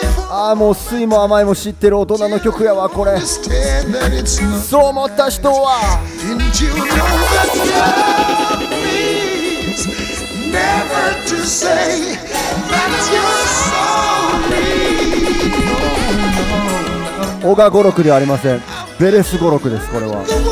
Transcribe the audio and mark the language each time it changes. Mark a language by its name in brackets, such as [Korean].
[Japanese] ああ、もう酸いも甘いも知ってる大人の曲やわこれ。そう思った人は。 [English] Never to say that you're sorry. [Japanese] オガ語録ではありません。ベレス語録です、これは。